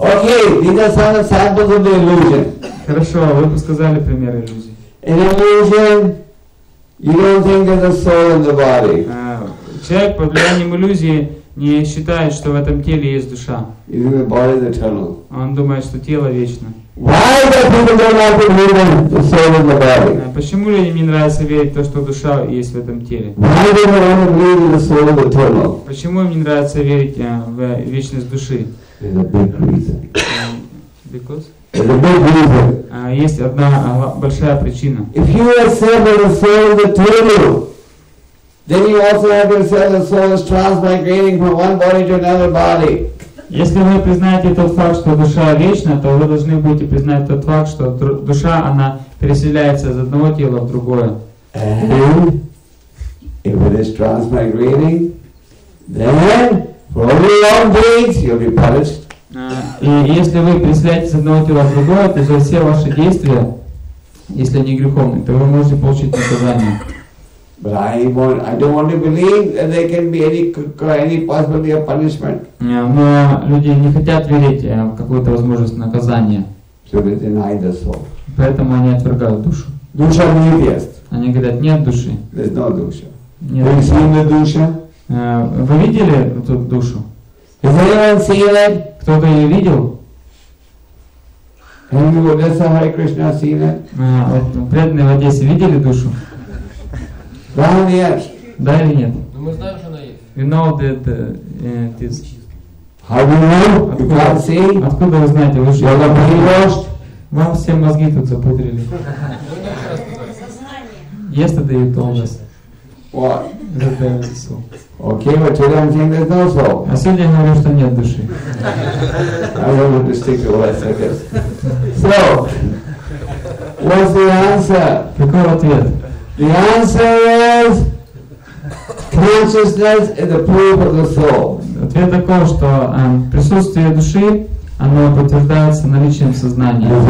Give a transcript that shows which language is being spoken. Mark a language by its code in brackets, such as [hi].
[en] Окей, these are some samples of the illusion. [ru] Хорошо, вы сказали примеры иллюзий. [en] An illusion, you don't think there's a soul in the body. [ru] Человек под влиянием иллюзии не считает, что в этом теле есть душа. [en] You think the body is eternal. [ru] Он думает, что тело вечно. [en] Why do people don't like to believe the soul in the body? [ru] Почему людям не нравится верить то, что душа есть в этом теле? [en] Why do they want to believe in the soul of eternal? [ru] Почему им не нравится верить в вечность души? [en] There's a big reason. Because? There's a big reason. [ru] Есть одна большая причина. [en] If you accept that the soul is eternal, then you also have to accept the soul is transmigrating from one body to another body. [ru] Если вы признаете тот факт, что душа вечна, то вы должны будете признать тот факт, что душа, она переселяется из одного тела в другое. [en] And if it is transmigrating, then for your own deeds you'll be punished. [ru] И если вы переселяетесь из одного тела в другое, то за все ваши действия, если они греховные, то вы можете получить наказание. [en] But I don't want to believe that there can be any possibility of punishment. [ru] Yeah, но люди не хотят верить в какую-то возможность наказания. [en] So they deny the soul. [ru] Поэтому они отвергают душу. Душа не есть. Они говорят, нет души. [en] There's no [ru] душа. Нет. Вы видели душу? Вы видели эту душу? Has anyone seen it? Кто-то ее видел? Has Hare Krishna seen it? Преданные в Одессе видели душу? Да или нет? Да или нет? Мы знаем, что она есть. [en] We know that this. How do you know? You can't see. [ru] Откуда вы знаете? Вы же не понимаешь. Вам все мозги тут запудрили. [en] Yesterday you told us. What? That there is a soul. Okay, but today I'm saying there's no soul. [ru] А сегодня я говорю, что нет души. [en] I don't want to stick to what I said. So, what's the answer? [ru] Какой ответ? [en] The answer is consciousness is the proof of the soul. [ru] Ответ такой, что присутствие души, оно подтверждается наличием сознания.